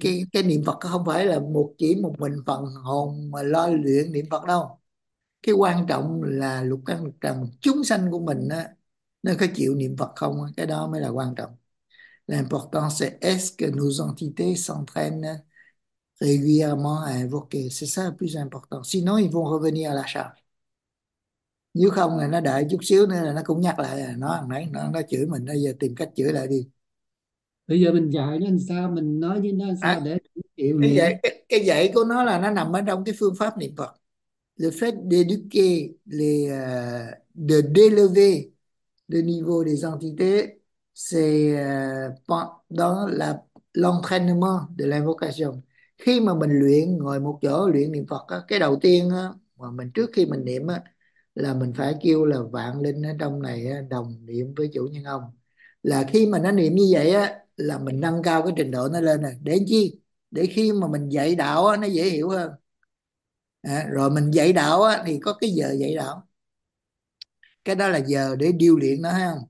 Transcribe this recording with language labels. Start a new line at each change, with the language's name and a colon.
Vietnamese: Cái niệm Phật không phải là một chỉ một mình phần hồn mà lo luyện niệm Phật đâu. Cái quan trọng là lục căn lục trần chúng sanh của mình á, nó có chịu niệm Phật không, cái đó mới là quan trọng.
French: L'important c'est est-ce que nos entités s'entraînent régulièrement à invoquer. C'est ça le plus important. Sinon, ils vont revenir à la charge.
Vietnamese: Nếu không là nó đợi chút xíu nữa là nó cũng nhắc lại, nó chửi mình, bây giờ tìm cách chửi lại đi. Bây giờ mình dạy nó làm sao, mình nói với nó làm sao À, để chịu cái dạy niệm. của nó là nó nằm ở trong cái phương pháp niệm Phật.
French: Le fait d'éduquer de d'élever le niveau des entités, c'est pendant l'entraînement de l'invocation.
Vietnamese: Khi mà mình luyện ngồi một chỗ luyện niệm Phật, cái đầu tiên mà mình trước khi mình niệm là mình phải kêu là vạn linh ở trong này đồng niệm với chủ nhân ông. Là khi mà nó niệm như vậy á là mình nâng cao cái trình độ nó lên rồi. Để chi? Để khi mà mình dạy đạo nó dễ hiểu hơn. À, rồi mình dạy đạo thì có cái giờ dạy đạo, cái đó là giờ để điêu luyện nó ha.